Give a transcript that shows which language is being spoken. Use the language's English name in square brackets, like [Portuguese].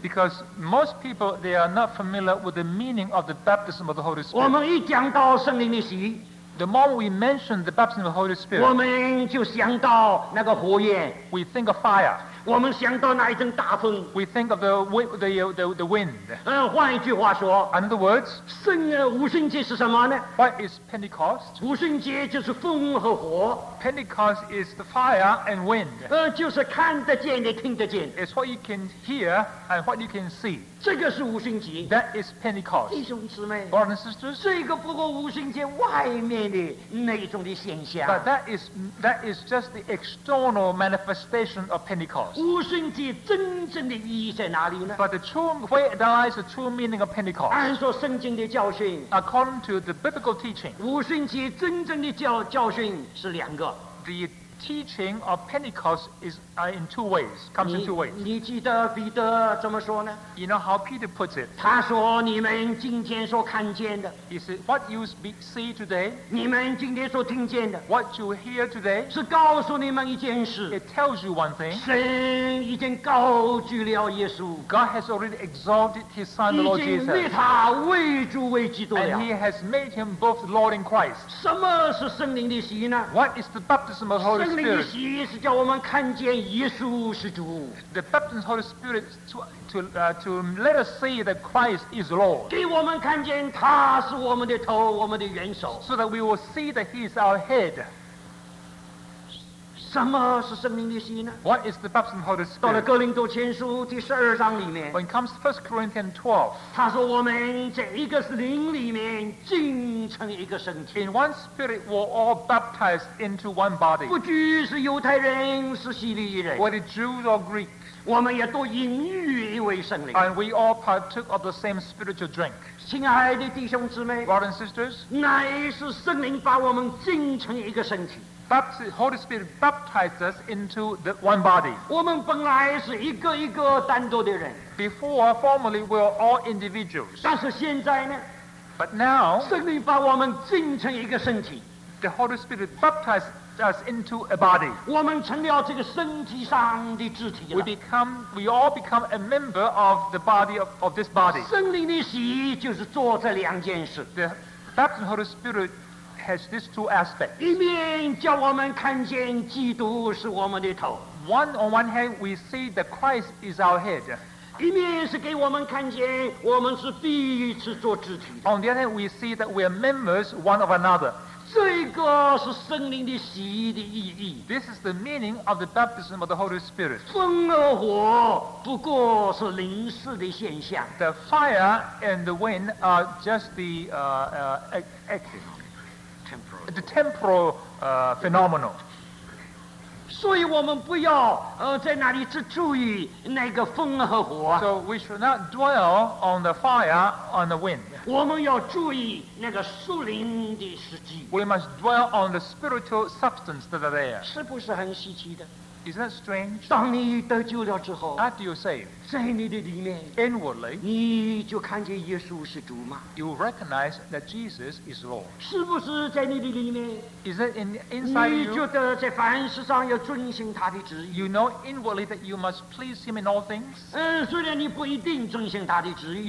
[English] Because most people they are not familiar with the meaning of the baptism of the Holy Spirit. [Chinese] 我们一讲到圣灵的洗 [English] the moment we mention the baptism of the Holy Spirit, [Chinese] 我们就想到那个火焰 [English] we think of fire. [Chinese] 我们想到那一阵大风 [English] we think of the wind. [Chinese] 换一句话说 [English] In other words, [Chinese] 五旬节是什么呢 [English] What is Pentecost? [Chinese] 五旬节就是风和火 [English] Pentecost is the fire and wind. [Chinese] 就是看得见的听得见。 [English] It's what you can hear and what you can see. [Chinese] 这个是五旬节。 [English] That is Pentecost. [Chinese] 弟兄姊妹。 [English] Brothers and sisters. [Chinese] 这个不过五旬节外面的那一种的现象。 [English] But that is just the external manifestation of Pentecost. [Chinese] 五旬节真正的意义在哪里呢 [English] ？But the true where lies the true meaning of Pentecost. [Chinese] 按说圣经的教训。 [English] According to the biblical teaching. [Chinese] 五旬节真正的教训是两。 [English] The teaching of Pentecost is in two ways. Comes in two ways. [Chinese] 你记得彼得怎么说呢 [English] ？You know how Peter puts it. [Chinese] 他说：“你们今天所看见的。” [English] He said, "What you see today." [Chinese] 你们今天所听见的。 [English] What you hear today. [Chinese] 是告诉你们一件事。 [English] It tells you one thing. [Chinese] 神已经高举了耶稣。 [English] God has already exalted His Son, the Lord Jesus. [Chinese] 已经立他为主为基督了。 [English] And He has made Him both Lord and Christ. [Chinese] 什么是圣灵的洗呢 [English] ？What is the baptism of the Holy Spirit? [Chinese] 圣灵的洗是叫我们看见耶稣是主。 [English] The baptism of the Holy Spirit to let us see that Christ is Lord. [Chinese] 给我们看见他是我们的头，我们的元首。 [English] So that we will see that He is our head. [Chinese] 什么是圣灵的洗呢 [English] ？What is the baptism of the Holy Spirit? [Chinese] 到了哥林多前书第十二章里面。 [English] When it comes to 1 Corinthians 12, [Chinese] 他说我们在一个灵里面浸成一个身体。 [English] In one spirit, we're all baptized into one body. [Chinese] 不拘是犹太人，是希利人。 [English] Whether Jews or Greeks, [Chinese] 我们也都隐喻一位圣灵。 [English] And we all partook of the same spiritual drink. [Chinese] 亲爱的弟兄姊妹 [English] ，Brothers and sisters, [Chinese] 乃是圣灵把我们浸成一个身体。 [English] Holy Spirit baptized us into the one body. [Chinese] 我们本来是一个一个单独的人。 [English] Before, formerly, we were all individuals. [Chinese] 但是现在呢 [English] ？But now, [Chinese] 圣灵把我们浸成一个身体。 [English] The Holy Spirit baptized us into a body. [Chinese] 我们成了这个身体上的肢体了。 [English] We all become a member of the body of this body. [Chinese] 圣灵的洗就是做这两件事。 [English] The baptism of the Holy Spirit. Has these two aspects. [Chinese] 一面叫我们看见基督是我们的头。 [English] One on one hand, we see that Christ is our head. [Chinese] 一面是给我们看见我们是彼此做肢体。 [English] On the other hand, we see that we are members one of another. [Chinese] 这个是圣灵的洗的意义。 [English] This is the meaning of the baptism of the Holy Spirit. [Chinese] 风和火不过是临时的现象。 [English] The fire and the wind are just the active. The temporal phenomenon. [Chinese] 所以我们不要在那里只注意那个风和火。 [English] So we should not dwell on the fire on the wind. [Chinese] 我们要注意那个属灵的实际。 [English] We must dwell on the spiritual substance that are there. [Chinese] 是不是很稀奇的？ [English] Is that strange? [Chinese] 当你得救了之后 [English] After you're saved [Chinese] 在你的里面 [English] inwardly, [Chinese] 你就看见耶稣是主吗 [English] you recognize that Jesus is Lord [Chinese] 是不是在你的里面 [English] is it in, inside [Chinese] 你 [English] you [Chinese] 你觉得在凡事上要遵循他的旨意 [English] you know inwardly that you must please him in all things [Chinese] 虽然你不一定遵循他的旨意